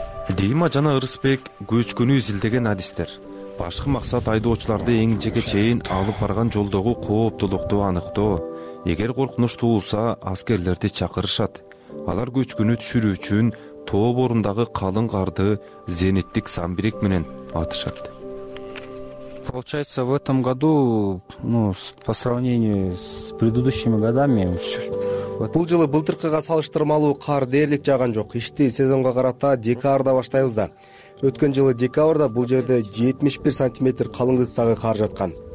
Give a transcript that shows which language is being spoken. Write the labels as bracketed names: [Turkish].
[Kyrgyz] Дима жана Ырысбек көчкүнү изилдеген адистер. Башкы максат айдоочуларды эң жеке чейин алып барган жолдогу кооптуулукту аныктоо. Эгер коркунуч туулса, аскерлерди чакырышат. Алар көчкүнү түшүрүү үчүн тоо борундагы калың карды зениттик самбирек менен атышат. [Russian] Получается, в этом году, ну, по сравнению с предыдущими годами, [Kyrgyz] бул жылы былтыркыга салыштырмалуу кар дээрлик жааган жок. Ишти сезонго карата декабрда баштайбыз да. Өткөн жылы декабрда бул жерде 71 сантиметр калыңдыктагы кар жаткан.